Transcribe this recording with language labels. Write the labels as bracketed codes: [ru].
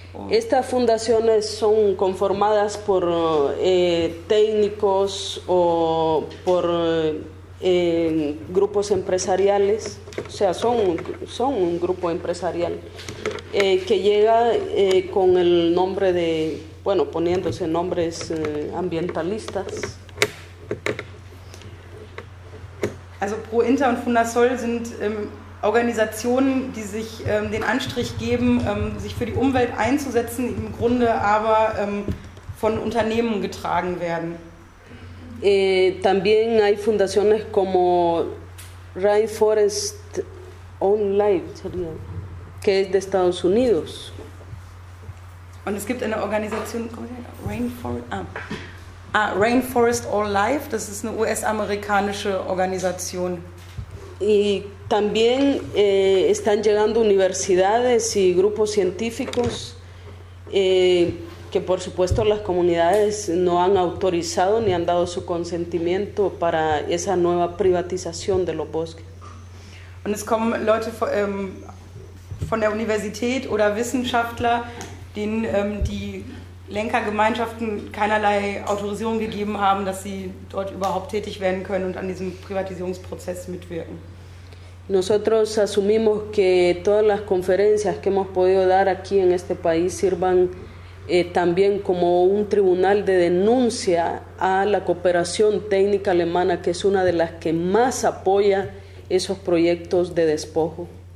[es] Estas fundaciones son conformadas por técnicos o por grupos empresariales, o sea, son un grupo empresarial que llega con el nombre de, bueno, poniéndose nombres ambientalistas. [de] Also Pro Inter und Fundasol sind Organisationen, die sich den Anstrich geben, sich für die Umwelt einzusetzen, im Grunde aber von Unternehmen getragen werden. [es] También hay fundaciones como Rainforest Online, sería, que es de Estados Unidos. [de] Und es gibt eine Organisation, Rainforest All Life, das ist eine US-amerikanische Organisation. [es] Y también están llegando universidades y grupos científicos que, por supuesto, las comunidades no han autorizado ni han dado su consentimiento para esa nueva privatización de los bosques. [de] Und es kommen Leute von der Universität oder Wissenschaftler, denen die Lenkergemeinschaften keinerlei Autorisierung gegeben haben, dass sie dort überhaupt tätig werden können und an diesem Privatisierungsprozess mitwirken. [es] Nosotros asumimos que todas las conferencias que hemos podido dar aquí en este país sirvan también como un tribunal de denuncia a la cooperación técnica alemana, que es una de las que más apoya esos proyectos de despojo.